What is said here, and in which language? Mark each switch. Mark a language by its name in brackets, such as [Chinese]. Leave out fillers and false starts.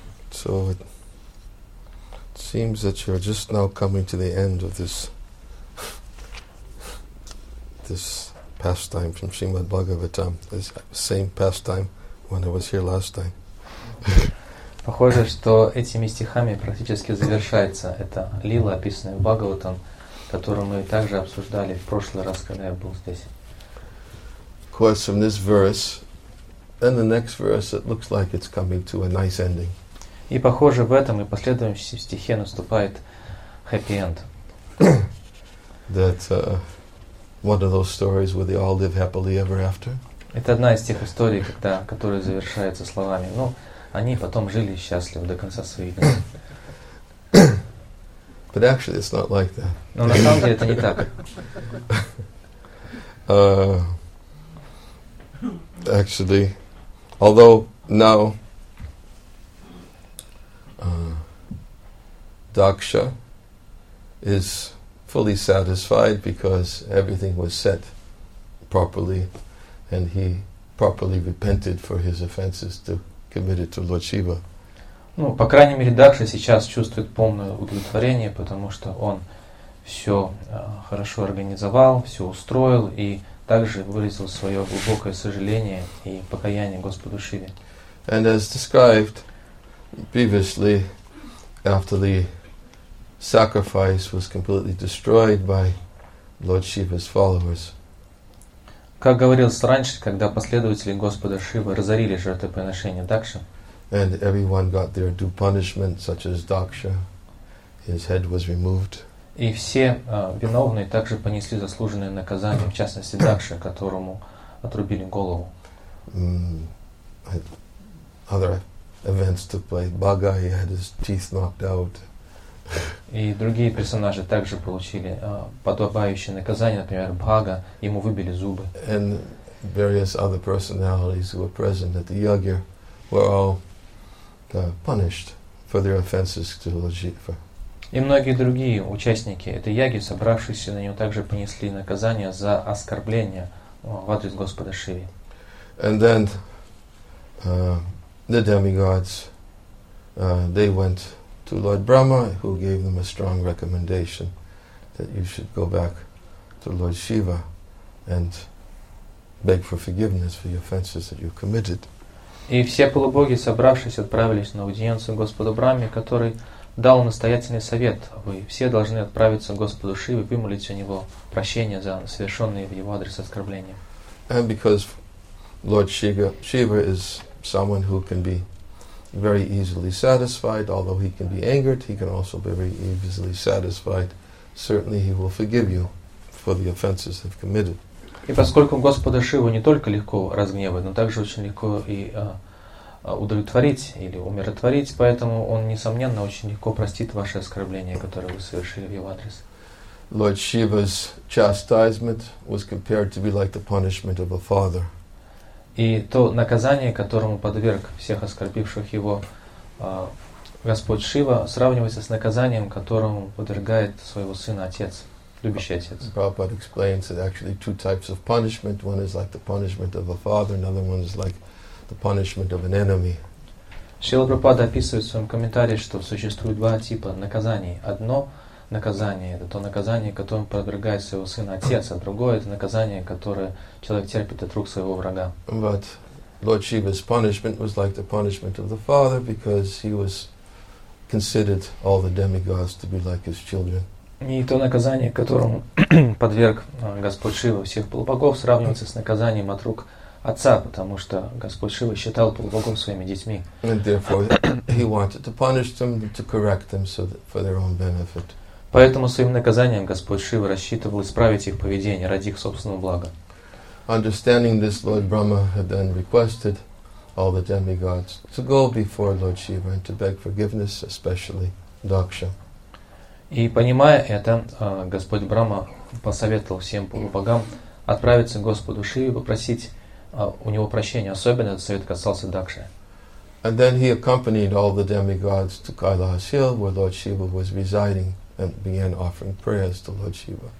[English] So it seems that you're just now coming to the end of this this pastime from Srimad Bhagavatam, this same pastime when I was here last time. [Russian] Похоже, что этими стихами практически завершается эта лила, описанная в Бхагаватам, которую мы также обсуждали в прошлый раз, когда я был здесь. [English] Of course, from this verse, then the next verse, it looks like it's coming to a nice ending. [Russian] И похоже, в этом и последующем стихе наступает хэппи-энд. [English] That one of those stories where they all live happily ever after. [Russian] Это одна из тех историй, когда, которая завершается словами: ну, они потом жили счастливо до конца своих дней. [English] But actually, it's not like that. [Russian] Но на самом деле это не так. [English] Actually, although now Daksha is fully satisfied because everything was set properly and he properly repented for his offenses to commit it to Lord Shiva. [Russian] Ну, по крайней мере, Дакша сейчас чувствует полное удовлетворение, потому что он все хорошо организовал, все устроил и также выразил свое глубокое сожаление и покаяние Господу Шиве. [English] And as described previously, after the sacrifice was completely destroyed by Lord Shiva's followers. [Russian] Как говорилось раньше, когда последователи Господа Шивы разорили жертвоприношение Дакши. [English] And everyone got their due punishment, such as Daksha. His head was removed. [Russian] И все виновные также понесли заслуженное наказание, в частности Дакша, которому отрубили голову. [English] Other events took place. Бага, he had his teeth knocked out. [Russian] И другие персонажи также получили подобающее наказание, например, Бага, ему выбили зубы. [English] And various other personalities who were present at the Yagya were all punished for their offenses to Lord Shiva. [Russian] И многие другие участники этой яги, собравшиеся на нее, также понесли наказание за оскорбление в адрес Господа Шиви. [English] And then the demigods, they went to Lord Brahma, who gave them a strong recommendation that you should go back to Lord Shiva and beg for forgiveness for your offenses that you committed. [Russian] И все полубоги, собравшись, отправились на аудиенцию Господу Брахме, который дал настоятельный совет. Вы все должны отправиться к Господу Шиве и вымолить у него прощение за совершенные в его адрес оскорбления. [English] And because Lord Shiva is someone who can be very easily satisfied, although he can be angered, he can also be very easily satisfied. Certainly he will forgive you for the offenses they've committed. [Russian] И поскольку Господа Шиву не только легко разгневать, но также очень легко и удовлетворить или умиротворить, поэтому он, несомненно, очень легко простит ваше оскорбление, которое вы совершили в его адрес. [English] Lord Shiva's chastisement was compared to be like the punishment of a father. [Russian] И то наказание, которому подверг всех оскорбивших его Господь Шива, сравнивается с наказанием, которому подвергает своего сына отец. [English] Prabhupada explains that actually two types of punishment. One is like the punishment of a father, another one is like the punishment of an enemy. [Russian] Шрила Прабхупада описывает в своем комментарии, что существует два типа наказаний. Одно наказание – это то наказание, которым подвергает своего сына отец, а другое – это наказание, которое человек терпит от рук своего врага. [English] But Lord Shiva's punishment was like the punishment of the father because he was considered all the demigods to be like his children. [Russian] И то наказание, которому подверг Господь Шива всех полубогов, сравнивается с наказанием от рук отца, потому что Господь Шива считал полубогов своими детьми. [English] And therefore, he wanted to punish them, to correct them so that for their own benefit. [Russian] Поэтому своим наказанием Господь Шива рассчитывал исправить их поведение ради их собственного блага. [English] Understanding this, Lord Brahma had then requested all the demigods to go before Lord Shiva and to beg forgiveness, especially Daksha. [Russian] И понимая это, Господь Брахма посоветовал всем полубогам отправиться к Господу Шиве и попросить у него прощения. Особенно этот совет касался Дакши. [English] And then he accompanied all the demigods to Kailash Hill, where Lord Shiva was residing, and began offering prayers to Lord Shiva.